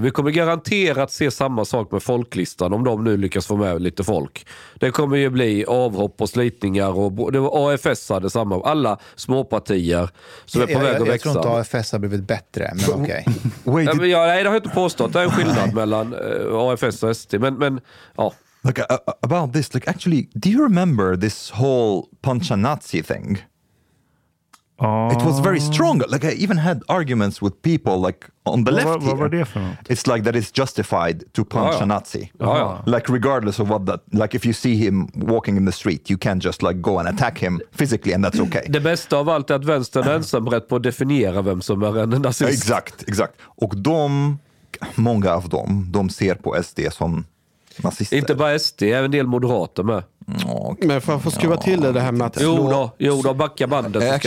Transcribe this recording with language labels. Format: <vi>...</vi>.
<sv>Vi kommer garanterat se samma sak med folklistan om de nu lyckas få med lite folk. Det kommer ju bli avhopp och slitningar. Och AFS hade samma. Alla småpartier som är på väg att växa. Jag tror inte AFS har blivit bättre, men okej.</sv> <en>Okay.</en> <sv>Det har jag inte påstått. Det är en skillnad mellan AFS och SD. Men ja.</sv> <en>Like, about this, like, actually, do you remember this whole punch a Nazi thing? It was very strong. Like I even had arguments with people like on the left. What were they for? Not? It's like that it's justified to punch a Nazi. Like regardless of what that, like if you see him walking in the street, you can't just like go and attack him physically and that's okay.</en> <sv>Det bästa av allt är att vänstern ensam rätt på att definiera vem som är en nazist. Exakt, exakt. Och de, många av dem, de ser på SD som nazister. Inte bara SD, även en del moderater med.</sv> <en>Okay.</en> <sv>Men för att få skruva till det här med att Jo då, backa bandet.</sv>